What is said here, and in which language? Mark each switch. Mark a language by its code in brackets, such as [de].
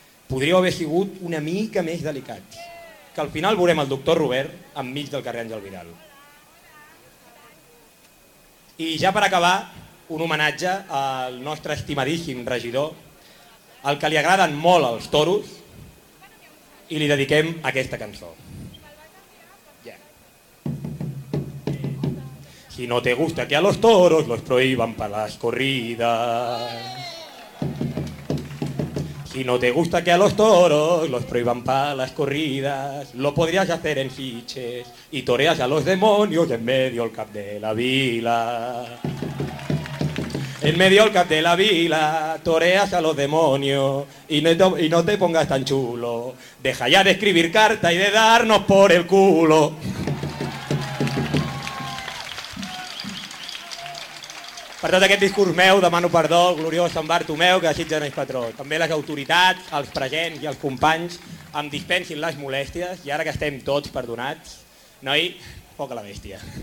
[ca] Podríeu haver sigut una mica més delicats, que al final veurem el doctor Robert enmig del carrer Àngel Vidal. I ja per acabar, un homenatge al nostre estimadíssim regidor, al que li agraden molt els toros, i li dediquem aquesta cançó. [es] Si no te gusta que a los toros los prohíban para las corridas. Si no te gusta que a los toros los prohíban para las corridas, lo podrías hacer en Sitges y toreas a los demonios en medio [ca] al cap de la vila. [es] En medio [ca] al cap de la vila [es] toreas a los demonios y no te pongas tan chulo. Deja ya de escribir carta y de darnos por el culo. [ca] Per tot aquest discurs meu, demano perdó, gloriós Sant Bartomeu, que desitja més patró. També les autoritats, els presents i els companys em dispensin les molèsties i ara que estem tots perdonats, noi, foc a la bèstia.